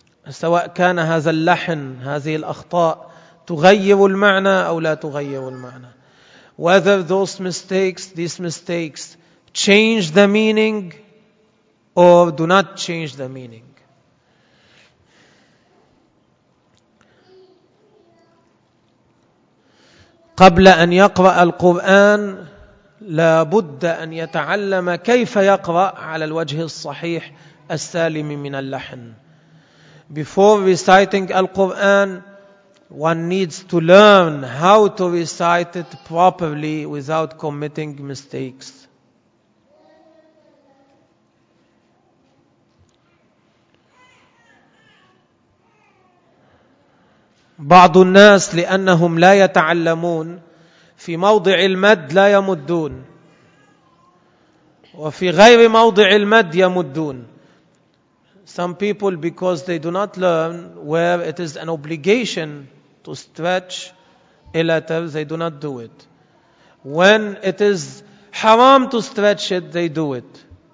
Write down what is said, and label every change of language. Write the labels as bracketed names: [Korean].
[Arabic] سواء كان هذا اللحن هذه الأخطاء تغير المعنى أو لا تغير المعنى. [English] Whether these mistakes change the meaning or do not change the meaning. [Arabic] قبل أن يقرأ القرآن لا بد أن يتعلم كيف يقرأ على الوجه الصحيح السالم من اللحن. [English] Before reciting Al-Quran, one needs to learn how to recite it properly without committing mistakes. [Arabic] بعض الناس لأنهم لا يتعلمون في موضع المد لا يمدون وفي غير موضع المد يمدون. [English] Some people, because they do not learn where it is an obligation to stretch a letter, they do not do it. When it is haram to stretch it, they do it.